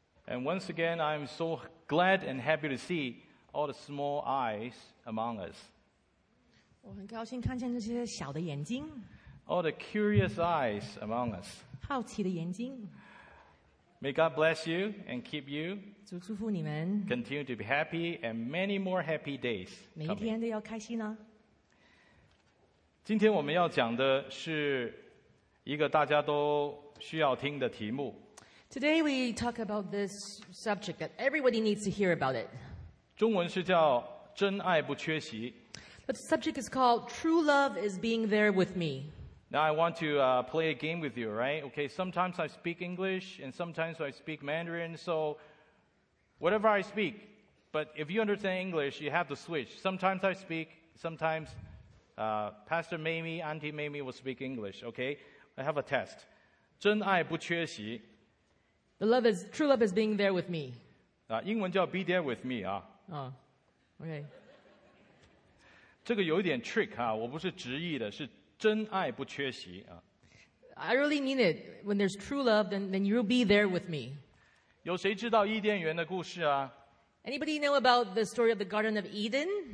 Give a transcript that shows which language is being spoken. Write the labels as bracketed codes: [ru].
[en] And once again, I'm so glad and happy to see all the small eyes among us. [zh] 我很高兴看见这些小的眼睛。 [en] All the curious eyes among us. [zh] 好奇的眼睛。 [en] May God bless you and keep you. [zh] 主祝福你们。 [en] Continue to be happy and many more happy days. [zh] 每一天都要开心呢。今天我们要讲的是一个大家都需要听的题目。 [en] Today we talk about this subject that everybody needs to hear about it. [zh] 中文是叫真爱不缺席。 [en] The subject is called True Love is Being There With Me. Now I want to play a game with you, right? Okay, sometimes I speak English and sometimes I speak Mandarin, so whatever I speak, but if you understand English, you have to switch. Sometimes I speak, sometimes Pastor Mamie, Auntie Mamie will speak English, okay? I have a test. [zh] 真爱不缺席。 [en] The love is, true love is being there with me. [zh] 英文叫 [en] be there with me. Okay. [zh] 这个有点 trick, 我不是执意的是真爱不缺席。 [en] I really mean it. When there's true love, then you'll be there with me. [zh] 有谁知道伊甸园的故事啊? [en] Anybody know about the story of the Garden of Eden?